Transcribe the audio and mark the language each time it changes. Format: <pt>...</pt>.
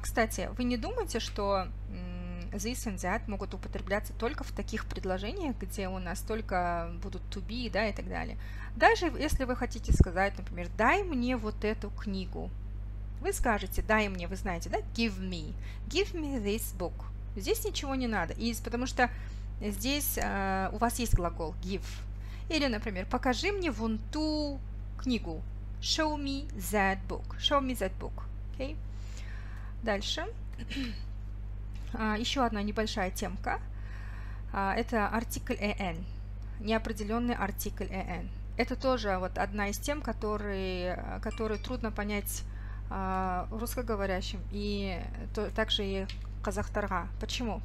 <ru>Кстати, вы не думаете, что this and that могут употребляться только в таких предложениях, где у нас только будут to be, да, и так далее? Даже если вы хотите сказать, например, дай мне вот эту книгу. Вы скажете, дай мне, вы знаете, да,</ru> <en>give me this book.</en> <ru>Здесь ничего не надо, потому что здесь у вас есть глагол give. Или, например, покажи мне вон ту книгу,</ru> <en>show me that book, show me that book. Okay?</en> <ru>Дальше, еще одна небольшая темка, это артикль an, неопределенный артикль an. Это тоже вот одна из тем, которые трудно понять русскоговорящим и также и казахтарга. Почему?</ru>